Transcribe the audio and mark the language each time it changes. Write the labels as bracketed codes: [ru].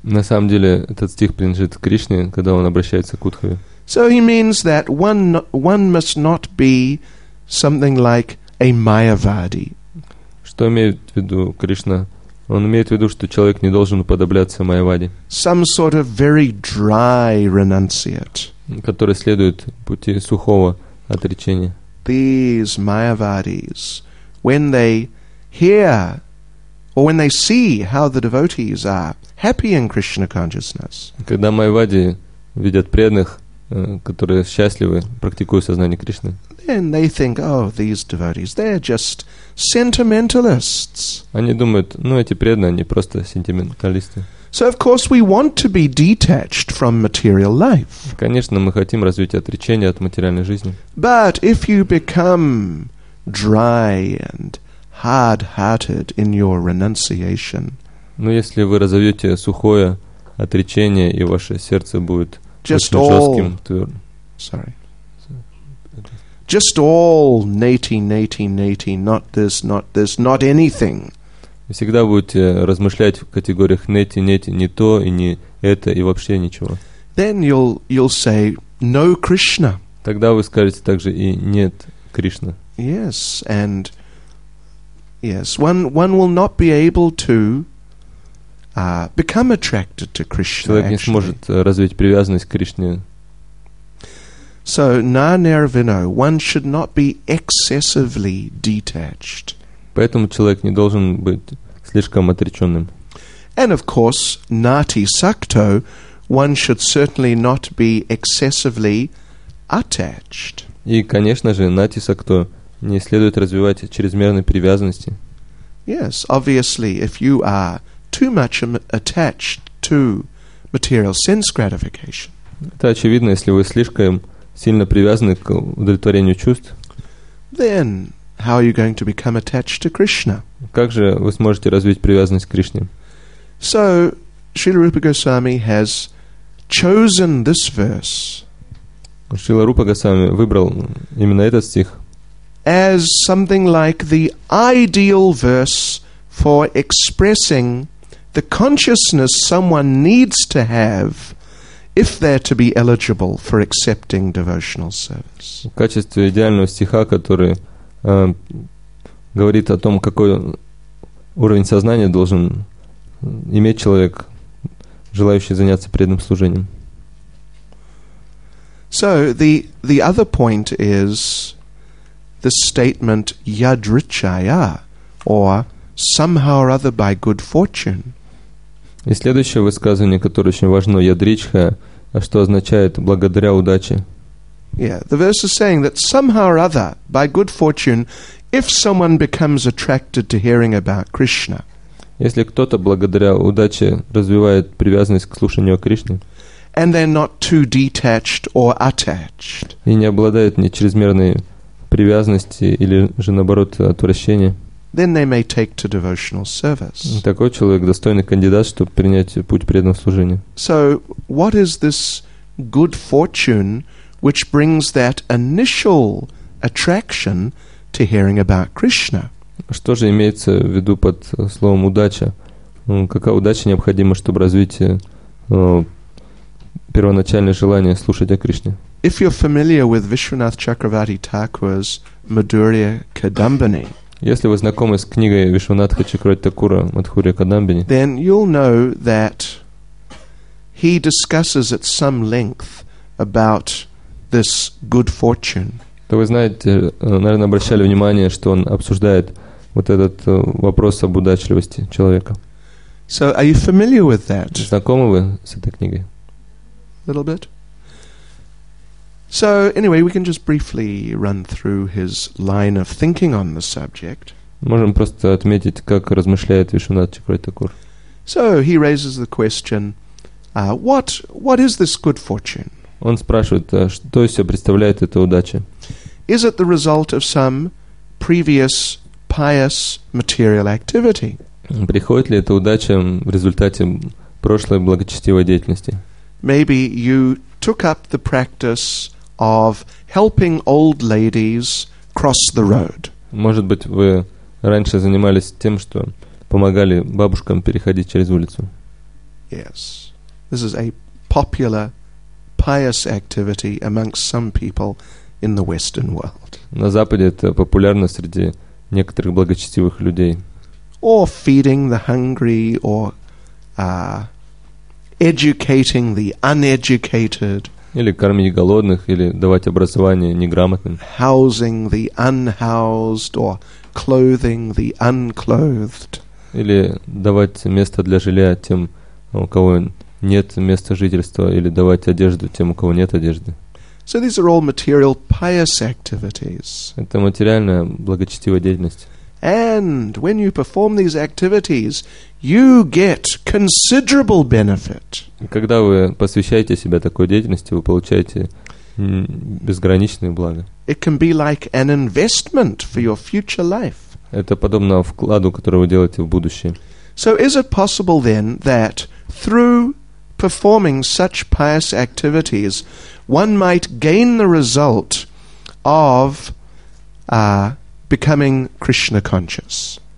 [ru] На самом деле этот стих принадлежит Кришне, когда он обращается к Удхаве. [en] So he means that one must not be something like a Mayavadi. [ru] Что имеет в виду Кришна? Он имеет в виду, что человек не должен уподобляться Майяваде. [en] Some sort of very dry renunciate. [ru] Который следует пути сухого отречения. [en] These Mayavadis, when they hear or when they see how the devotees are happy in Krishna consciousness. [ru] Когда Майявади видят преданных, которые счастливы, практикуют сознание Кришны. [en] Then they think, oh, these devotees, they're just sentimentalists. [ru] Они думают, ну эти преданные, они просто сентименталисты. [en] So of course we want to be detached from material life. [ru] Конечно, мы хотим развить отречение от материальной жизни. [en] But if you become dry and hard-hearted in your renunciation. [ru] Но если вы разовьете сухое отречение и ваше сердце будет [en] just [ru] жестким, [en] all, sorry. Just all nati, not this, not anything. [ru] Всегда будете размышлять в категориях нати, не то и не это и вообще ничего. [en] Then you'll say no Krishna. [ru] Тогда вы скажете также и нет Кришна. [en] Yes, and yes, one will not be able to become attracted to Krishna. [ru] Человек не сможет развить привязанность к Кришне. [en] So na nirvino, one should not be excessively detached. [ru] Поэтому человек не должен быть слишком отреченным. [en] And of course, nati sakto, one should certainly not be excessively attached. [ru] И, конечно же, nati sakto не следует развивать чрезмерной привязанности. [en] Yes, obviously, if you are too much attached to material sense gratification. [ru] Это очевидно, если вы слишком сильно привязаны к удовлетворению чувств. [en] Then how are you going to become attached to Krishna? [ru] Как же вы сможете развить привязанность к Кришне? [en] So Srila Rupa Goswami has chosen this verse. [ru] Srila Rupa Goswami выбрал именно этот стих. [en] As something like the ideal verse for expressing the consciousness someone needs to have if they're to be eligible for accepting devotional service. [ru] В качестве идеального стиха, который говорит о том, какой уровень сознания должен иметь человек, желающий заняться преданным служением. [en] So the other point is the statement yadrichaya, or somehow or other by good fortune. [ru] И следующее высказывание, которое очень важно, ядричха, что означает благодаря удаче. [en] Yeah, the verse is saying that somehow or other, by good fortune, if someone becomes attracted to hearing about Krishna. [ru] Если кто-то благодаря удаче развивает привязанность к слушанию о Кришне. [en] And they're not too detached or attached. [ru] И не обладает ни чрезмерной привязанности или же наоборот отвращения. [en] Then they may take to devotional service. [ru] Такой человек достойный кандидат, чтобы принять путь преданного служения. [en] So, what is this good fortune which brings that initial attraction to hearing about Krishna? [ru] Что же имеется в виду под словом удача? Какая удача необходима, чтобы развить первоначальное желание слушать о Кришне? [en] If you're familiar with Vishwanath Chakravarti Thakur's Madhurya Kadambini. [ru] Если вы знакомы с книгой Вишванатха Чакравати Такура «Мадхурья Кадамбини», [en] then you'll know that he discusses at some length about this good fortune. [ru] То вы знаете, наверное, обращали внимание, что он обсуждает вот этот вопрос об удачливости человека. [en] So are you familiar with that? [ru] Знакомы вы с этой книгой? [en] A little bit. So anyway, we can just briefly run through his line of thinking on the subject. [ru] Можем просто отметить, как размышляет Вишванатха Чакравати Такур. [en] So he raises the question, What is this good fortune? [ru] Он спрашивает, что из себя представляет эта удача? [en] Is it the result of some previous pious material activity? [ru] Приходит ли эта удача в результате прошлой благочестивой деятельности? [en] Maybe you took up the practice of helping old ladies cross the road. [ru] Может быть, вы раньше занимались тем, что помогали бабушкам переходить через улицу? [en] Yes. This is a popular pious activity amongst some people in the Western world. [ru] На Западе это популярно среди некоторых благочестивых людей. [en] Or feeding the hungry, or educating the uneducated. [ru] Или кормить голодных, или давать образование неграмотным. [en] Housing the unhoused, or clothing the unclothed. [ru] Или давать место для жилья тем, у кого нет места жительства, или давать одежду тем, у кого нет одежды. [en] So these are all material pious activities. [ru] Это материальная благочестивая деятельность. [en] And when you perform these activities, you get considerable benefit. [ru] Когда вы посвящаете себя такой деятельности, вы получаете безграничные блага. [en] It can be like an investment for your future life. [ru] Это подобно вкладу, который вы делаете в будущее. [en] So is it possible then that through performing such pious activities, one might gain the result of becoming Krishna conscious?